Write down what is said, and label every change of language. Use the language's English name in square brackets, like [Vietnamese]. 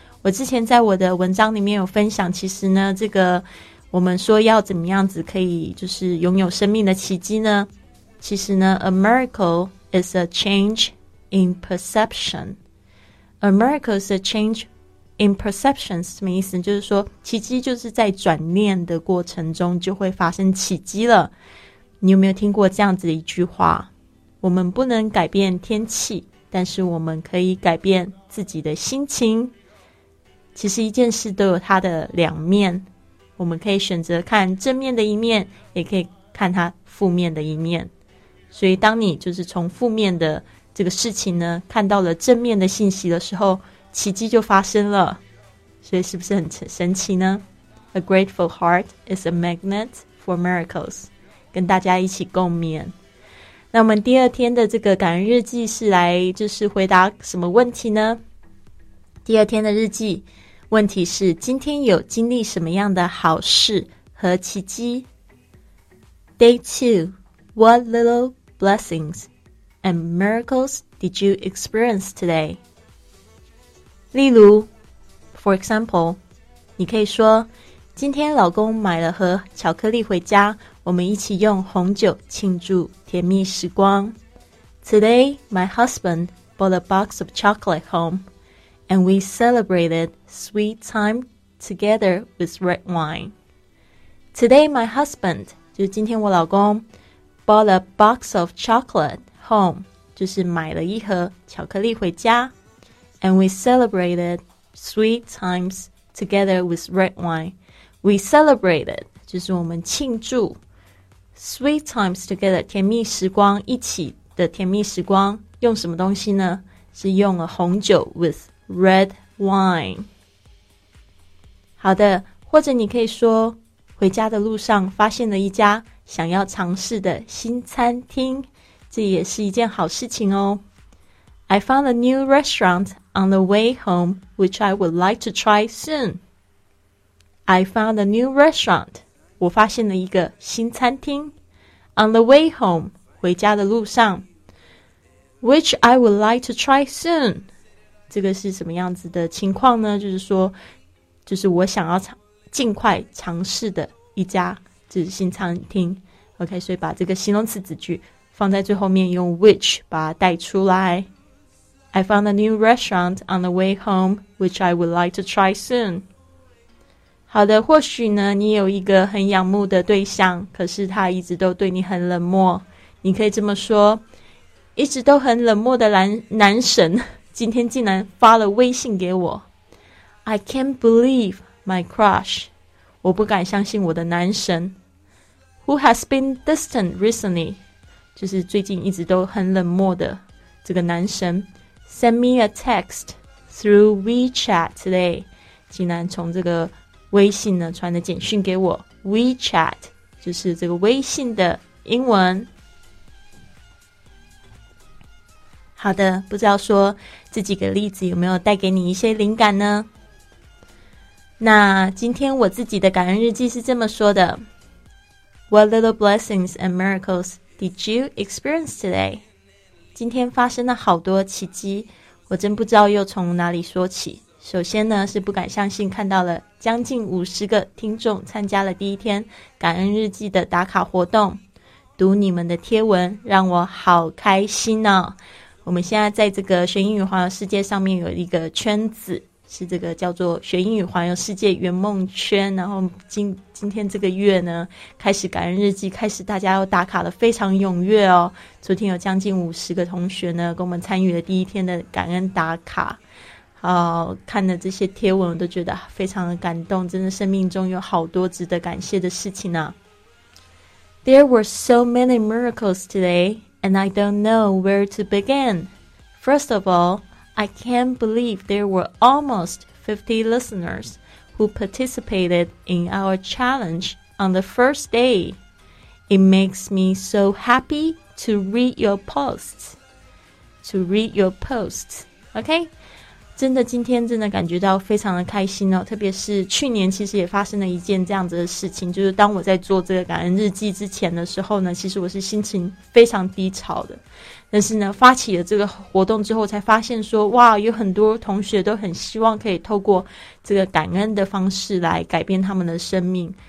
[Chinese] 我之前在我的文章里面有分享，其实呢这个我们说要怎么样子可以就是拥有生命的奇迹呢，其实呢 [English] A miracle is a change in perception. A miracle is a change in perception [Chinese] 是什么意思？就是说奇迹就是在转念的过程中就会发生奇迹了。你有没有听过这样子的一句话？我们不能改变天气，但是我们可以改变自己的心情。其实一件事都有它的两面，我们可以选择看正面的一面，也可以看它负面的一面。所以当你就是从负面的这个事情呢看到了正面的信息的时候，奇迹就发生了。所以是不是很神奇呢？ [English] A grateful heart is a magnet for miracles. [Chinese] 跟大家一起共勉。那我们第二天的这个感恩日记是来就是回答什么问题呢？第二天的日记问题是，今天有经历什么样的好事和奇迹？ [English] Day 2,What little blessings and miracles did you experience today? [Chinese] 例如 , [English] for example, [Chinese] 你可以说，今天老公买了盒巧克力回家，我们一起用红酒庆祝甜蜜时光。 [English] Today, my husband bought a box of chocolate home, and we celebrated sweet time together with red wine. Today, my husband, [Chinese] 就是今天我老公 [English] Bought a box of chocolate home, [Chinese] 就是买了一盒巧克力回家。 [English] And we celebrated sweet times together with red wine. We celebrated, [Chinese] 就是我们庆祝 [English] sweet times together, [Chinese] 甜蜜时光，一起的甜蜜时光，用什么东西呢？是用了红酒 [English] with red wine. [Chinese] 好的，或者你可以说，回家的路上发现了一家想要尝试的新餐厅，这也是一件好事情哦。 [English] I found a new restaurant on the way home which I would like to try soon. I found a new restaurant, [Chinese] 我发现了一个新餐厅 [English] on the way home, [Chinese] 回家的路上 [English] which I would like to try soon. [Chinese] 这个是什么样子的情况呢？就是说就是我想要尽快尝试的一家这是新餐厅。 OK, 所以把这个形容词子句放在最后面，用 which 把它带出来。 [English] I found a new restaurant on the way home which I would like to try soon. [Chinese] 好的，或许呢你有一个很仰慕的对象，可是他一直都对你很冷漠，你可以这么说，一直都很冷漠的男神今天竟然发了微信给我。 [English] I can't believe my crush, [Chinese] 我不敢相信我的男神 [English] Who has been distant recently, [Chinese] 就是最近一直都很冷漠的这个男神 [English] Send me a text, through WeChat today. [Chinese] 济南从这个微信呢传的简讯给我。 WeChat 就是这个微信的英文。好的，不知道说这几个例子有没有带给你一些灵感呢？那今天我自己的感恩日记是这么说的。 [English] What little blessings and miracles did you experience today? [Chinese] 今天发生了好多奇迹，我真不知道又从哪里说起。首先呢，是不敢相信看到了将近50个听众参加了第一天感恩日记的打卡活动，读你们的贴文让我好开心哦。我们现在在这个学英语环游世界上面有一个圈子，是这个叫做学英语环游世界圆梦圈，然后今天这个月呢开始感恩日记，开始大家又打卡了，非常踊跃哦。昨天有将近50个同学呢跟我们参与了第一天的感恩打卡，看了这些贴文我都觉得非常的感动，真的生命中有好多值得感谢的事情啊。 [English] There were so many miracles today and I don't know where to begin. First of all,I can't believe there were almost 50 listeners who participated in our challenge on the first day. It makes me so happy to read your posts. To read your posts, okay? [Chinese] 真的今天真的感觉到非常的开心哦，特别是去年其实也发生了一件这样子的事情，就是当我在做这个感恩日记之前的时候呢，其实我是心情非常低潮的。但是呢发起了这个活动之后才发现说，哇，有很多同学都很希望可以透过这个感恩的方式来改变他们的生命。